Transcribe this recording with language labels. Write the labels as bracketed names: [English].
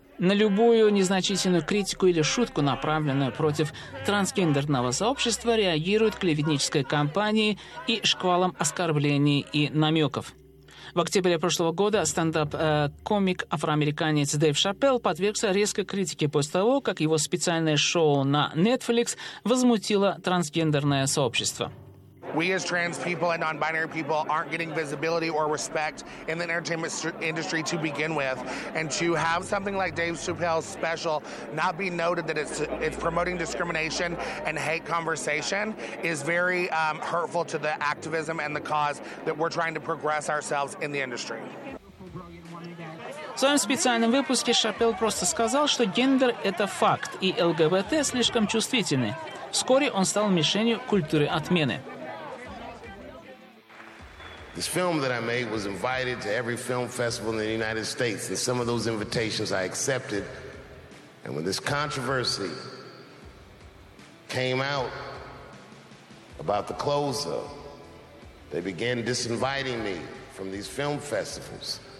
[Russian] На любую незначительную критику или шутку, направленную против трансгендерного сообщества, реагируют клеветнической кампанией и шквалом оскорблений и намеков. В октябре прошлого года стендап-комик афроамериканец Дэйв Шапелл подвергся резкой критике после того, как его специальное шоу на Netflix возмутило трансгендерное сообщество. [English] We as trans people and non-binary people aren't getting visibility or respect in the entertainment industry to begin with. And to have something like Dave Chappelle's special not be noted that it's promoting discrimination and hate conversation is very hurtful to the activism and the cause that we're trying to progress ourselves in the industry. [Russian] В своем специальном выпуске Шапелл просто сказал, что гендер – это факт, и ЛГБТ слишком чувствительны. Вскоре он стал мишенью культуры отмены. [English] This film that I made was invited to every film festival in the United States, and some of those invitations I accepted. And when this controversy came out about the clothes, though, they began disinviting me from these film festivals.